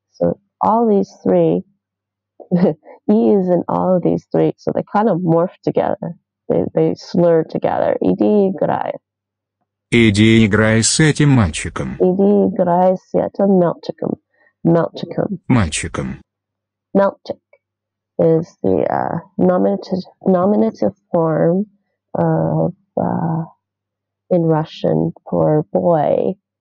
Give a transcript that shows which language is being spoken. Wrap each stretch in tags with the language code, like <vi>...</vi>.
<en>So all these three, e is in all of these three, so they kind of morph together. They slur together.</en> <ru>Иди и играй. Иди играй с этим мальчиком. Иди играй с этим мальчиком. Мальчиком. Мальчиком.</ru> <en>Мальчик is the nominative form of in Russian for boy.</en>